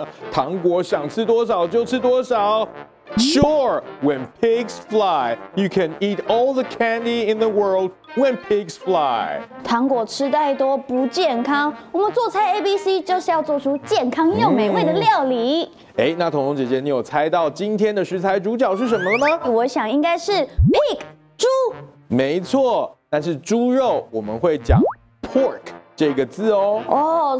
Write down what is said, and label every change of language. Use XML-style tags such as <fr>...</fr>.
<zh>糖果想吃多少就吃多少。</zh> <en>Sure, when pigs fly, you can eat all the candy in the world when pigs fly.</en> <zh>糖果吃太多不健康，我们做菜 ABC 就是要做出健康又美味的料理。那彤彤姐姐，你有猜到今天的食材主角是什么吗？我想应该是 pig, 猪。没错。但是猪肉我们会讲 pork 这个字哦。</zh>